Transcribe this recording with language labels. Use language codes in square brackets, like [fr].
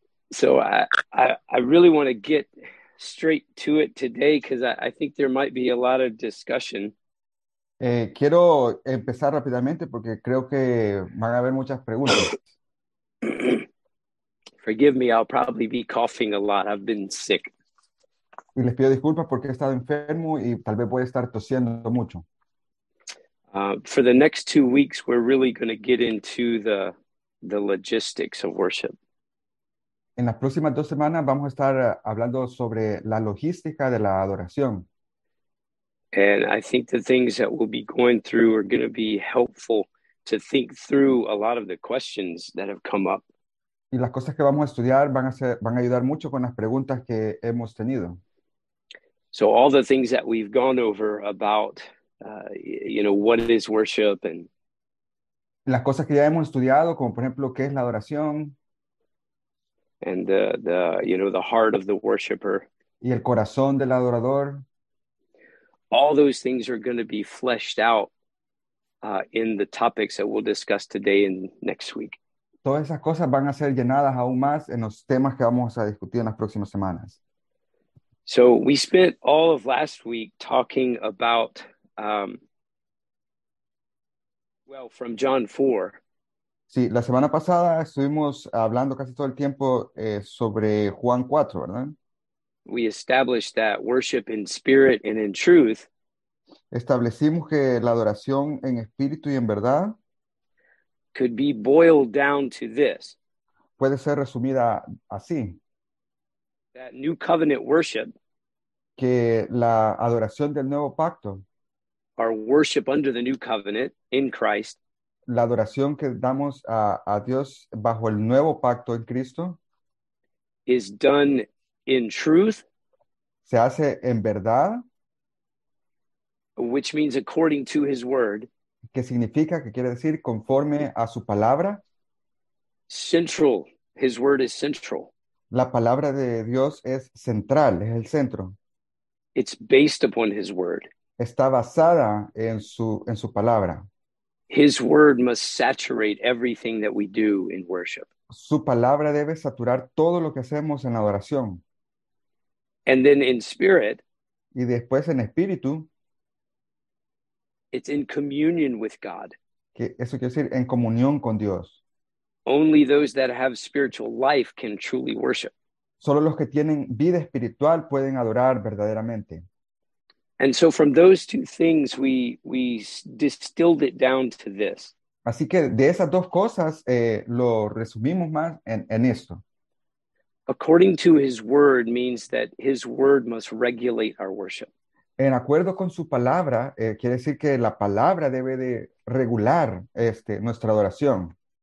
[en] So I really want to get straight to it today because I think there might be a lot of discussion. [es] Quiero empezar rápidamente porque creo que van a haber muchas preguntas. [en] Forgive me, I'll probably be coughing a lot. I've been sick. [es] Y les pido disculpas porque he estado enfermo y tal vez voy a estar tosiendo mucho. [en] For the next 2 weeks, we're really going to get into the logistics of worship. [es] En las próximas 2 semanas vamos a estar hablando sobre la logística de la adoración. [en] And I think the things that we'll be going through are going to be helpful to think through a lot of the questions that have come up. [es] Y las cosas que vamos a estudiar van a ayudar mucho con las preguntas que hemos tenido. [en] So all the things that we've gone over about, you know, what is worship and... [es] Las cosas que ya hemos estudiado, como por ejemplo, ¿qué es la adoración? [en] And the you know, the heart of the worshiper. [es] Y el corazón del adorador. [en] All those things are going to be fleshed out in the topics that we'll discuss today and next week. [es] Todas esas cosas van a ser llenadas aún más en los temas que vamos a discutir en las próximas semanas. [en] So we spent all of last week talking about, well, from John 4. [es] Sí, la semana pasada estuvimos hablando casi todo el tiempo sobre Juan 4, ¿verdad? [en] We established that worship in spirit and in truth. [es] Establecimos que la adoración en espíritu y en verdad [en] could be boiled down to this. [es] Puede ser resumida así. [en] That new covenant worship, [es] que la adoración del nuevo pacto, [en] our worship under the new covenant in Christ, [es] la adoración que damos a Dios bajo el nuevo pacto en Cristo, [en] is done in truth, [es] se hace en verdad, [en] which means according to his word, [es] que significa, que quiere decir, conforme a su palabra. [en] Central, his word is central. [es] La palabra de Dios es central, es el centro. [en] It's based upon his word. [es] Está basada en su palabra. [en] His word must saturate everything that we do in worship. [es] Su palabra debe saturar todo lo que hacemos en la adoración. [en] And then in spirit, [es] y después en espíritu, [en] it's in communion with God. [es] Que eso quiere decir en comunión con Dios. [en] Only those that have spiritual life can truly worship. [es] Solo los que tienen vida espiritual pueden adorar verdaderamente. [en] And so from those two things, we distilled it down to this. [es] Así que de esas dos cosas, lo resumimos más en esto. [en] According to his word means that his word must regulate our worship. [es] En acuerdo con su palabra, quiere decir que la palabra debe de regular nuestra adoración.